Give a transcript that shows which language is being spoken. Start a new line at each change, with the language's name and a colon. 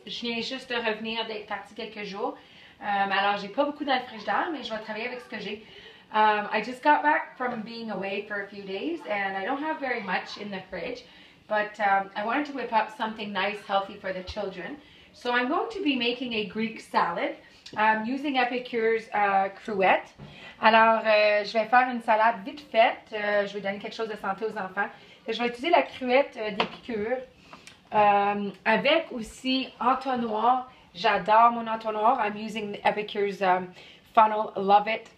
French: Je viens juste de revenir d'être partie quelques jours. Alors, j'ai pas beaucoup dans le frigidaire, mais je vais travailler avec ce que j'ai.
English: I just got back from being away for a few days, and I don't have very much in the fridge, but I wanted to whip up something nice, healthy for the children. So I'm going to be making a Greek salad. I'm using Epicure's cruette.
French: Alors, je vais faire une salade vite faite. Je vais donner quelque chose de santé aux enfants. Et je vais utiliser la cruette d'Epicure avec aussi entonnoir. J'adore mon entonnoir.
English: I'm using Epicure's funnel. Love it.